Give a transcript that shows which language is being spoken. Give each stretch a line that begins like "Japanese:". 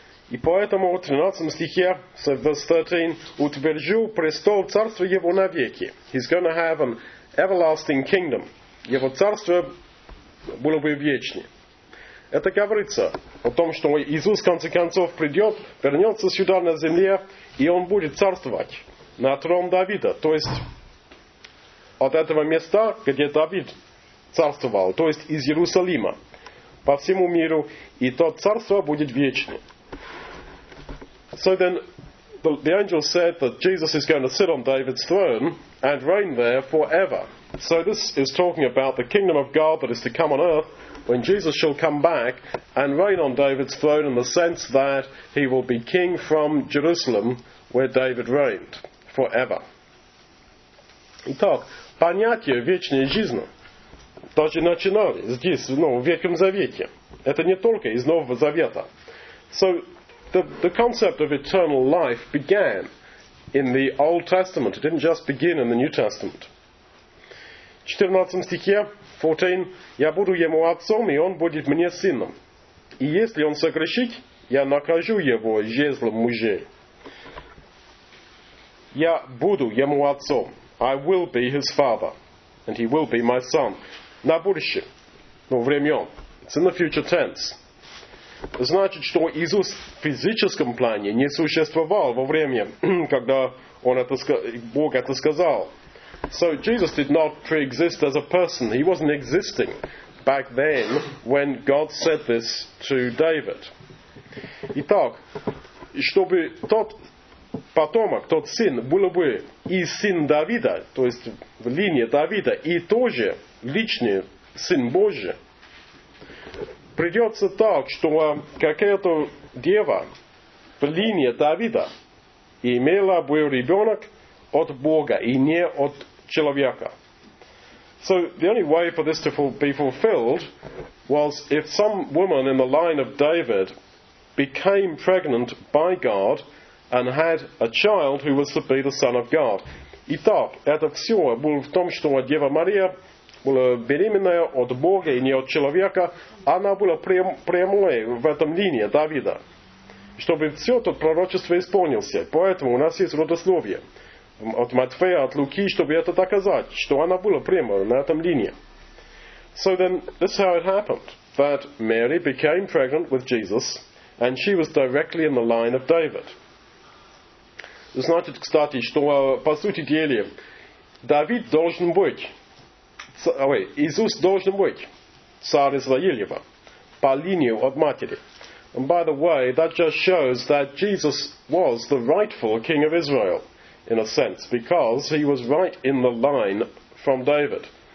Russian: И поэтому в 13 стихе,
English: so verse 13,
Russian: утвержу престол царства его навеки.
English: He's going to have an everlasting kingdom.
Russian: Его царство было бы вечно. Это говорится о том, что Иисус в конце концов придет, вернется сюда на земле, и он будет царствовать на трон Давида. То есть от этого места, где Давид царствовал, то есть из Иерусалима, по всему миру, и то царство будет вечным.
English: So then the angel said that Jesus is going to sit on David's throne and reign there forever. So this is talking about the kingdom of God that is to come on earth when Jesus shall come back and reign on David's throne in the sense that he will be king from Jerusalem where David reigned forever.
Russian: Итак, понятие вечной жизни даже начинали здесь, ну, в Ветхом Завете. Это не только из Нового Завета.
English: So, the concept of eternal life began in the Old Testament. It didn't just begin in the New Testament.
Russian: 14 стихе, 14, «Я буду ему отцом, и он будет мне сыном. И если он согрешит, я накажу его жезлом мужей». «Я буду ему отцом».
English: I will be his father, and he will be my son.
Russian: На будущее, но времен.
English: It's in the future tense.
Russian: Значит, что Иисус в физическом плане не существовал во время, когда он это, Бог это сказал.
English: So Jesus did not pre-exist as a person. He wasn't existing back then when God said this to David.
Russian: Итак, чтобы тот потомок, тот сын, был бы и сын Давида, то есть в линии Давида, и тоже личный сын Божий, придется так, что какая-то дева в линии Давида имела бы ребенок от Бога и не от человека.
English: So the only way for this to be fulfilled was if some woman in the line of David became pregnant by God and had a child who was to be the son of God.
Russian: Итак, это все было в том, что Дева Мария была беременная от Бога и не от человека. Она была прямой в этом линии Давида. Чтобы все это пророчество исполнилось. Поэтому у нас есть родословие от Матфея, от Луки, чтобы это доказать, что она была прямо на этом линии.
English: So then, this is how it happened. That Mary became pregnant with Jesus, and she was directly in the line of David.
Russian: Значит, кстати, что, по сути дела, Давид должен быть, Иисус должен быть царь Израилева по линии от матери.
English: And by the way, that just shows that Jesus was the rightful king of Israel, in a sense, because he was right in the line from David.